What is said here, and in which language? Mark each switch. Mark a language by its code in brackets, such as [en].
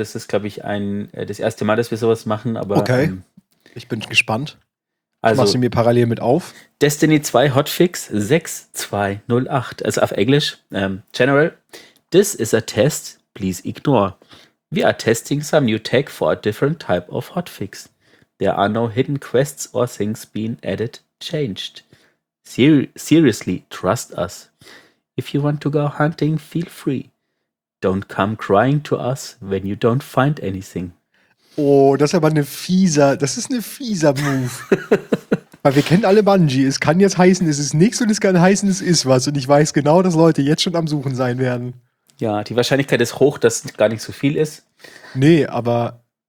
[de] Das ist, glaube ich, das erste Mal, dass wir sowas machen. Aber, okay, ich bin gespannt. Also, machst du mir parallel mit auf? Destiny 2 Hotfix 6208, also auf Englisch. [en] General, this is a test, please ignore. We are testing some new tech for a different type of hotfix. There are no hidden quests or things being added, changed. Seriously, trust us. If you want to go hunting, feel free. Don't come crying to us when you don't find anything. [de] Oh, das ist aber ein fieser Move. Weil wir kennen alle Bungie. Es kann jetzt heißen, es ist nichts und es kann heißen, es ist was. Und ich weiß genau, dass Leute jetzt schon am Suchen sein werden. Ja, die Wahrscheinlichkeit ist hoch, dass gar nicht so viel ist. Nee, aber